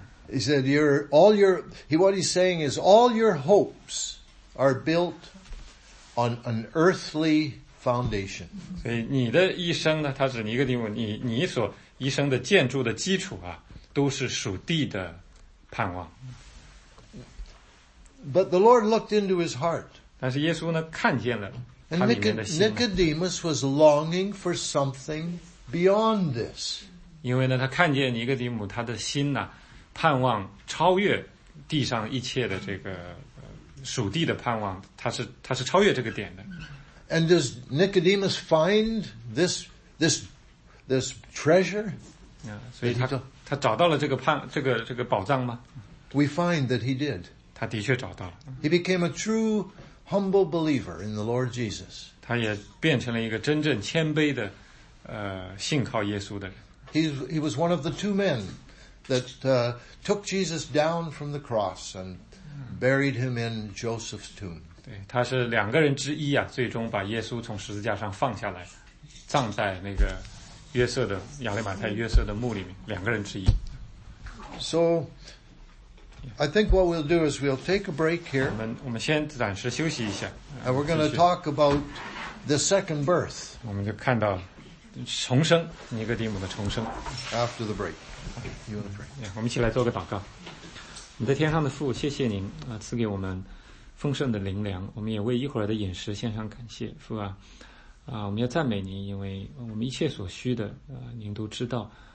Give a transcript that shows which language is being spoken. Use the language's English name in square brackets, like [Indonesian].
[English] He said, what he's saying is all your hopes are built on an earthly foundation. [Chinese] 所以你的一生呢，他指尼哥底母，你所一生的建筑的基础啊，都是属地的盼望。 [English] But the Lord looked into his heart. [Chinese] 但是耶稣呢，看见了他里面的心。 [English] Nicodemus was longing for something beyond this. [Chinese] 因为呢，他看见尼哥底母，他的心呢，盼望超越地上一切的这个属地的盼望，他是超越这个点的。 [English] And does Nicodemus find this treasure? [Chinese] 所以他找到了这个宝藏吗？ [English] We find that he did. [Chinese] 他的确找到了。 [English] He became a true humble believer in the Lord Jesus. [Chinese] 他也变成了一个真正谦卑的信靠耶稣的人。 [English] He was one of the two men that took Jesus down from the cross and buried him in Joseph's tomb. [Chinese] 对，他是两个人之一啊，最终把耶稣从十字架上放下来，葬在那个约瑟的亚利马太约瑟的墓里面，两个人之一。 [English] So,I think what we'll do is we'll take a break here. [Chinese] 我们先暂时休息一下。 [English] And we're going to talk about the second birth. [Chinese] 我们就看到重生，尼哥底母的重生。 [English] After the break, you want to pray? [Chinese] Yeah, 我们一起来做个祷告。我们在天上的父，谢谢您啊，赐给我们丰盛的灵粮。我们也为一会儿的饮食献上感谢，父啊。我们要赞美您，因为我们一切所需的您都知道。